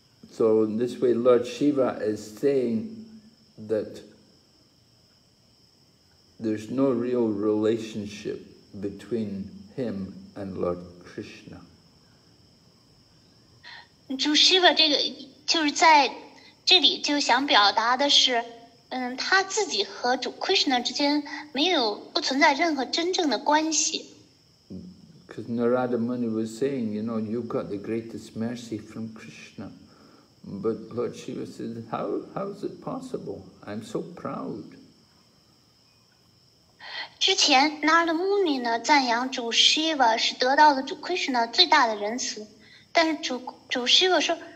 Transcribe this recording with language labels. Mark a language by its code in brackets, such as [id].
[en] So in this way, Lord Shiva is saying that there's no real relationship between him and Lord Krishna. [zh] 主 Shiva 这个。就是在这里就想表达的是，他自己和主 Krishna 之间没有不存在任何真正的关系。 [en] Because Narada Muni was saying, you know, you got the greatest mercy from Krishna, but Lord Shiva said, how is it possible? I'm so proud. [zh] 之前 Narada Muni 呢赞扬主 Shiva 是得到了主 Krishna 最大的仁慈，但是主 Shiva 说。